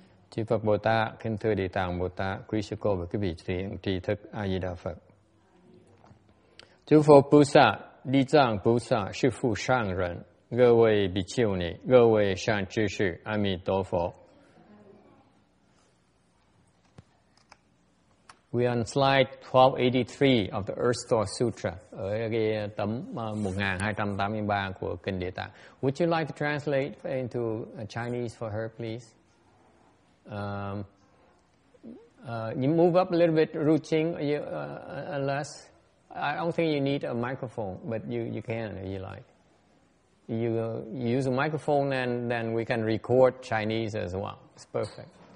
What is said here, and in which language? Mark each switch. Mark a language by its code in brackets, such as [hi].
[vi] Chư Phật Bồ Tát, kính thưa Địa Tạng Bồ Tát, quý sư cô và quý vị tri thức A Di Đà Phật. Chư Phổ Bồ Tát, Địa Tạng Bồ Tát, sư phụ sanh nhân, [zh] 各位比丘尼，各位善知识，阿弥陀佛。 [en] We are on slide 1283 of the Earth-Store Sutra. [vi] Ở cái tấm 1283 của kinh Địa Tạng. [en] Would you like to translate into Chinese for her, please? You move up a little bit, Ru Qing, unless I don't think you need a microphone, but you can if you like. You use a microphone and then we can record Chinese as well. It's perfect.